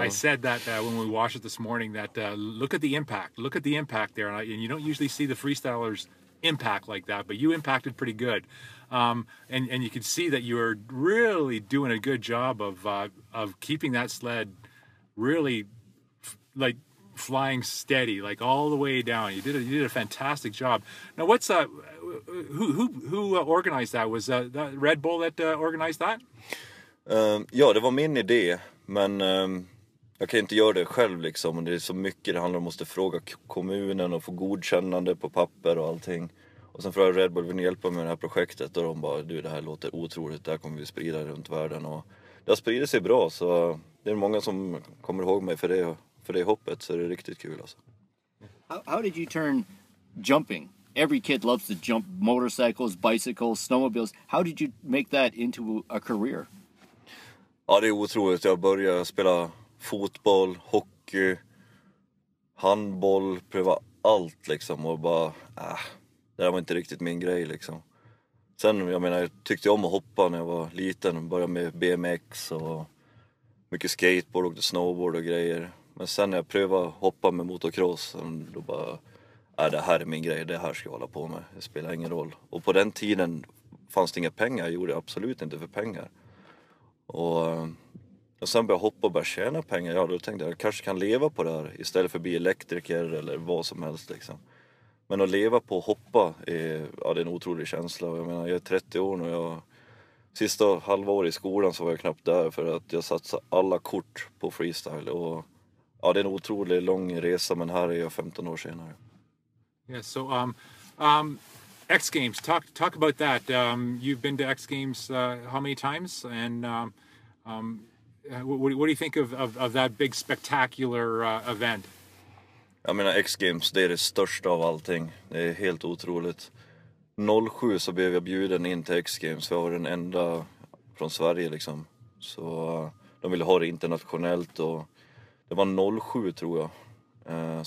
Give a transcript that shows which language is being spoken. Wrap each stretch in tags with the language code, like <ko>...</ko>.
<en>I said that when we watched it this morning, that look at the impact there, and you don't usually see the freestylers impact like that, but you impacted pretty good, and you could see that you were really doing a good job of keeping that sled really, flying steady, like all the way down. You did a fantastic job. Now, what's who organized that? Was that Red Bull that organized that?</en> <sv>Ja, det var min idé, men jag kan inte göra det själv liksom. Det är så mycket det handlar om, måste fråga kommunen och få godkännande på papper och allting. Och sen frågade Red Bull, vill ni hjälpa med det här projektet? Och de bara, du, det här låter otroligt, det här kommer vi sprida runt världen. Och det har spridit sig bra, så det är många som kommer ihåg mig för det. För det hoppet, så det är riktigt kul alltså.</sv> <en>How did you turn jumping? Every kid loves to jump motorcycles, bicycles, snowmobiles. How did you make that into a career?</en> <sv>Ja, det är otroligt. Jag började spela fotboll, hockey, handboll, pröva allt liksom. Och bara, det där var inte riktigt min grej liksom. Sen, jag menar, jag tyckte om att hoppa när jag var liten. Började med BMX och mycket skateboard och snowboard och grejer. Men sen när jag prövade hoppa med motocross, då bara, det här är min grej, det här ska jag hålla på med. Det spelar ingen roll. Och på den tiden fanns det inga pengar, jag gjorde absolut inte för pengar. Och sen började jag hoppa och började tjäna pengar. Ja, då tänkte jag kanske kan leva på det här istället för att bli elektriker eller vad som helst liksom. Men att leva på att hoppa är, det är en otrolig känsla. Jag menar, jag är 30 år nu och sista halvår i skolan så var jag knappt där för att jag satsade alla kort på freestyle och... Ja, det är en otroligt lång resa, men här är jag 15 år senare.</sv> <en>Yeah, so X Games, talk about that. You've been to X Games how many times, and what do you think of that big spectacular event?</en> <sv>Jag menar, X Games, det är det största av allting. Det är helt otroligt. 07 så blev jag bjuden in till X Games. Jag var den enda från Sverige liksom. Så de ville ha det internationellt och det var 07 tror jag.</sv>